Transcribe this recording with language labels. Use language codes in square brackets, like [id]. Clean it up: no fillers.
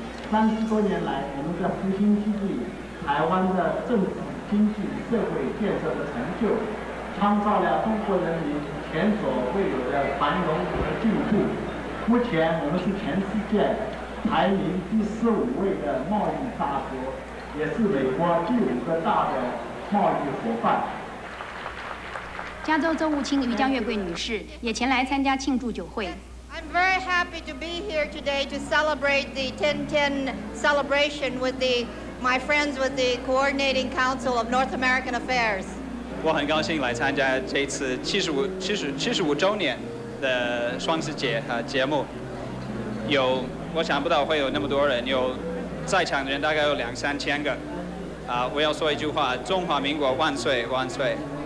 [zh] 30多年来，我们在同心协力，台湾的政治、经济、社会建设的成就，创造了中国人民前所未有的繁荣和进步。目前我们是全世界排名第15位的贸易大国，也是美国第5个大的贸易伙伴。加州州务卿于江月桂女士也前来参加庆祝酒会。 [en] I'm very happy to be here today to celebrate the 10-10 celebration with my friends with the Coordinating Council of North American Affairs. [zh] 我很高兴来参加这次75周年。的双十节节目，有我想不到会有那么多人，有在场的人大概有2000-3000个，我要说一句话：中华民国万岁万岁！